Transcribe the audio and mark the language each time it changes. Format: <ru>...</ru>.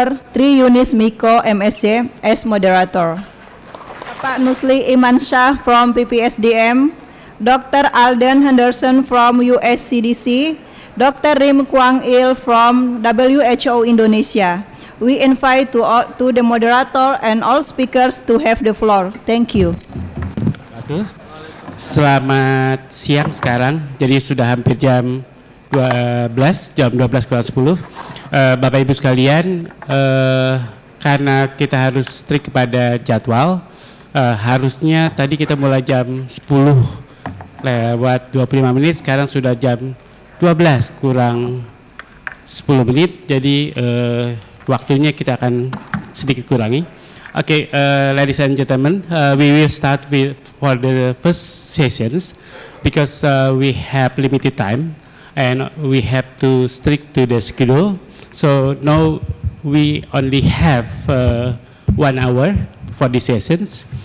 <en>Tri Yunis Miko, MSc, as moderator. Pak Nusli Iman Shah from PPSDM, Dr. Alden Henderson from USCDC, Dr. Rim Kwang Il from WHO Indonesia. We invite to the moderator and all speakers to have the floor. Thank you.</en> <id>Selamat siang sekarang. Jadi sudah hampir jam 12, jam 12 kurang 10. Bapak Ibu sekalian, karena kita harus strict kepada jadwal, harusnya tadi kita mulai jam 10 lewat 25 menit, sekarang sudah jam 12 kurang 10 menit. Jadi waktunya kita akan sedikit kurangi.</id> <en>Oke, ladies and gentlemen, we will start with for the first sessions because we have limited time and we have to stick to the schedule. So now we only have 1 hour for the sessions.</en>